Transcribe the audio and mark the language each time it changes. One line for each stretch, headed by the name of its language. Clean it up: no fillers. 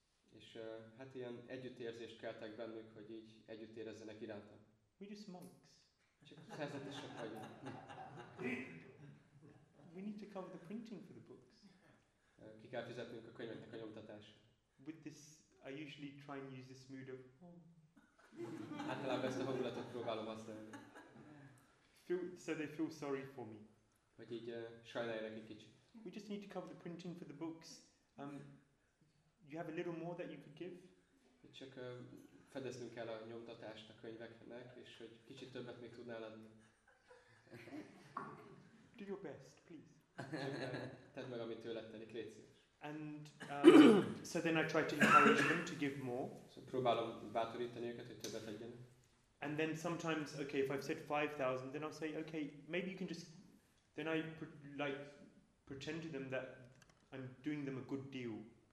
Hungarian: És hát ilyen együttérzést keltek bennük, hogy így együtt érezzenek irántam.
English: We just monks.
Hungarian: Csak szerzetesek vagyunk.
English: We need to cover the printing for the books.
Hungarian: Ki kell fizetnünk a könyveknek a nyomtatása.
English: With this, I usually try and use this mood of, oh.
Hungarian: Általában ezt a hangulatot próbálom használni.
English: So they feel sorry for me.
Hungarian: Hogy így sajnáljanak egy kicsit.
English: We just need to cover the printing for the books. You have a little more that you could give?
Hungarian: Csak fedeznünk kell a nyomtatást a könyveknek, és hogy kicsit többet még tudnál adni.
English: Do your best, please.
Hungarian: Tedd meg, amit tőled telik, légy szíves.
English: And so then I try to encourage them to give more.
Hungarian: So próbálom bátorítani őket, hogy többet adjanak.
English: And then sometimes, okay, if I've said 5,000, then I'll say, okay, maybe you can just... Then I pretend to them that I'm doing them a good deal.